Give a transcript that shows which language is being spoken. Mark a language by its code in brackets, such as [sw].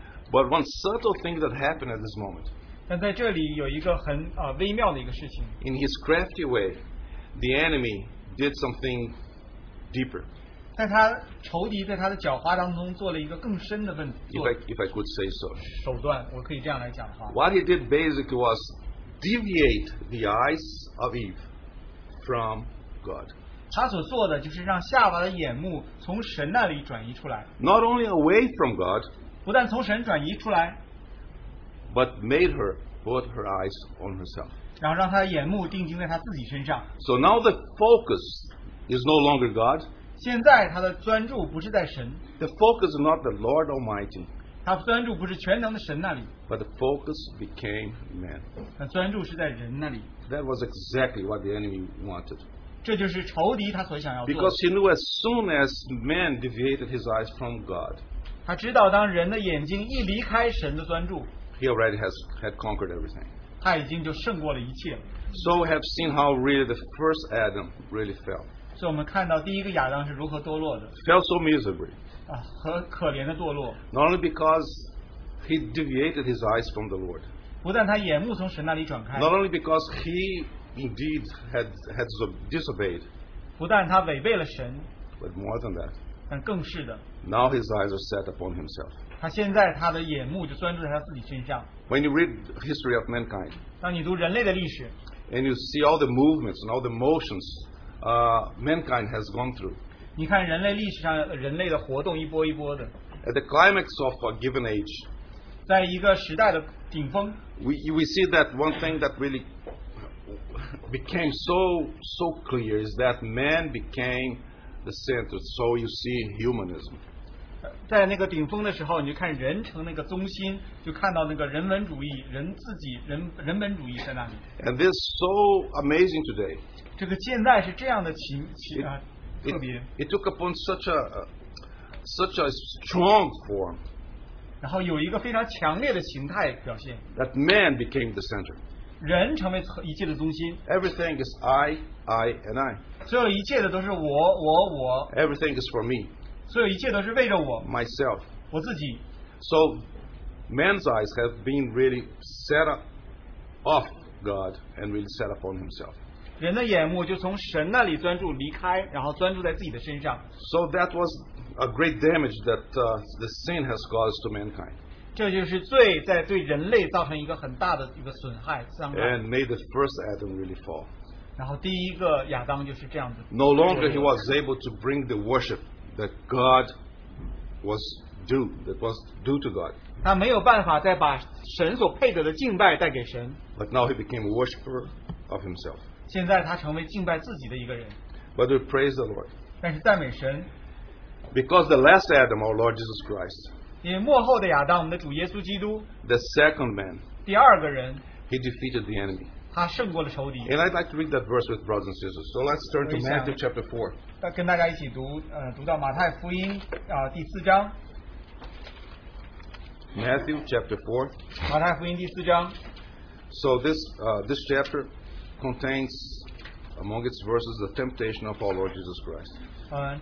[en] But one subtle thing that happened at this moment. [zh] 但在这里有一个很, 微妙的一个事情. [en] In his crafty way, the enemy did something deeper. [zh] 但他仇敌在他的狡猾当中做了一个更深的问题。 [en] If I could say so. [zh] 手段, 我可以这样来讲话。 [en] What he did basically was deviate the eyes of Eve from God. [zh] 他所做的就是让夏娃的眼目从神那里转移出来, [en] not only away from God, [zh] 不但从神转移出来, [en] but made her put her eyes on herself. [zh] 然后让她的眼目定睛在她自己身上. [en] So now the focus is no longer God. [zh] 现在她的专注不是在神. [en] The focus is not the Lord Almighty. [zh] 她专注不是全能的神那里. [en] But the focus became man. [zh] 她专注是在人那里. [en] That was exactly what the enemy wanted. [zh] 这就是仇敌他所想要做的. [en] Because he knew as soon as man deviated his eyes from God, [zh] 他知道当人的眼睛一离开神的专注, [en] he already had conquered everything. [zh] 他已经就胜过了一切. [en] So we have seen how really the first Adam really fell. [zh] 所以我们看到第一个亚当是如何堕落的. [en] Fell so miserably. [zh] 和可怜的堕落. [en] Not only because he deviated his eyes from the Lord, [zh] 不但他眼目从神那里转开. [en] Not only because he indeed had disobeyed, [zh] 不但他违背了神, [en] but more than that, [zh] 但更是的, [en] now his eyes are set upon himself. [zh] 他现在他的眼目就专注在他自己身上. [en] When you read history of mankind, [zh] 当你读人类的历史, [en] and you see all the movements and all the motions mankind has gone through, [zh] 你看人类历史上人类的活动一波一波的, [en] at the climax of a given age, [zh] 在一个时代的顶峰, [en] we see that one thing that really became so clear is that man became the center. So you see humanism. [zh] 在那个顶峰的时候，你就看人成那个中心，就看到那个人文主义、人自己、人本主义在那里。 [en] And this is so amazing today. [zh] 这个现在是这样的特别。 [en] It took upon such a strong form. [zh] 然后有一个非常强烈的形态表现。 [en] That man became the center. [zh] 人成为一切的中心。 [en] Everything is I, I, and I. [zh] 所有一切的都是我、我、我。 [en] Everything is for me. [zh] 所有一切都是为着我 [en] myself [zh] 我自己 [en] so man's eyes have been really set up off God and really set upon himself [zh] 人的眼目就从神那里专注离开然后专注在自己的身上 [en] so that was a great damage that the sin has caused to mankind [zh] 这就是罪在对人类造成一个很大的一个损害 [en] and made the first Adam really fall [zh] 然后第一个亚当就是这样子 [en] no longer he was able to bring the worshipThat God was due, that was due to God. [zh] 他没有办法再把神所配得的敬拜带给神。 [en] But now he became a worshipper of himself. [zh] 现在他成为敬拜自己的一个人。 [en] But we praise the Lord. [zh] 但是赞美神。 [en] Because the last Adam, our Lord Jesus Christ, [zh] 因为末后的亚当，我们的主耶稣基督， [en] the second man, [zh] 第二个人， [en] he defeated the enemy. [zh] 他胜过了仇敌。 [en] And I'd like to read that verse with brothers and sisters. So let's turn to Matthew chapter 4. [zh] 那跟大家一起读，读到马太福音啊第四章。 [en] Matthew chapter 4. [zh] 马太福音第四章。 [en] So this chapter contains among its verses the temptation of our Lord Jesus Christ.